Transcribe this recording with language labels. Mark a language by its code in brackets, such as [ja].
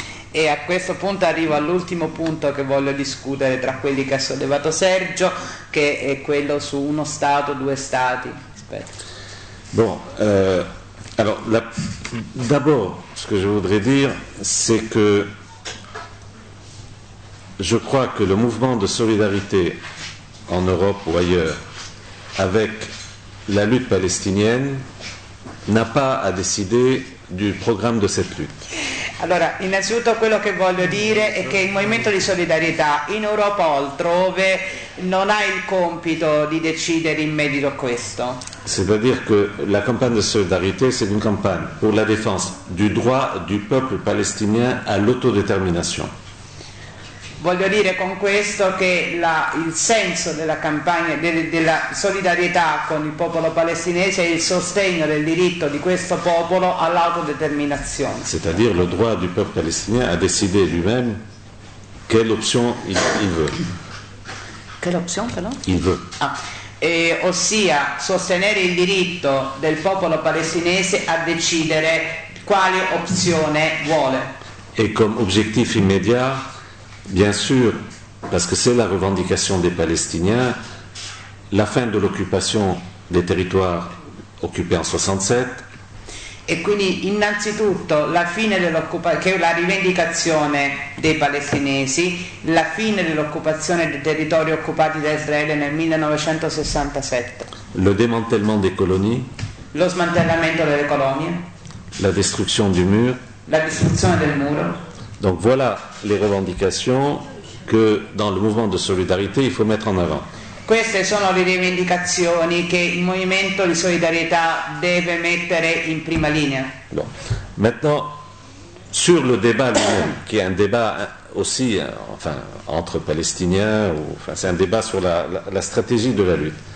[it] E a questo punto arrivo all'ultimo punto che voglio discutere tra quelli che ha sollevato Sergio, che è quello su uno Stato, due Stati. Aspetta. [fr] Bon, alors, d'abord, ce que je voudrais dire, c'est que je crois que le mouvement de solidarité en Europe ou ailleurs avec la lutte palestinienne n'a pas à décider du programme de cette lutte. [it] Allora, innanzitutto quello che voglio dire è che il movimento di solidarietà in Europa o altrove non ha il compito di decidere in merito a questo. [fr] C'est-à-dire que la campagne de solidarité, c'est une campagne pour la défense du droit du peuple palestinien à l'autodétermination. [it] Voglio dire con questo che il senso della campagna della solidarietà con il popolo palestinese è il sostegno del diritto di questo popolo all'autodeterminazione. [fr] C'est-à-dire le droit du peuple palestinien à décider lui-même quelle option il veut. Quelle option, pardon? Il veut. [it] Ossia sostenere il diritto del popolo palestinese a decidere quale opzione vuole. E come obiettivo immediato, [fr] bien sûr, parce que c'est la revendication des Palestiniens, la fin de l'occupation des territoires occupés en 67. [it] E quindi innanzitutto la fine dell'occupazione, che è la rivendicazione dei palestinesi, la fine dell'occupazione dei territori occupati da Israele nel 1967. [fr] Le démantèlement des colonies. [it] Lo smantellamento delle colonie. La distruzione [fr] du mur. [it] La distruzione del muro. [fr] Donc voilà les revendications que dans le mouvement de solidarité il faut mettre en avant. [it] Queste sono le rivendicazioni che il movimento di solidarietà deve mettere in prima linea. [fr] Bon. Maintenant sur le débat lui-même, qui est un débat aussi enfin entre palestiniens ou enfin c'est un débat sur la stratégie de la lutte.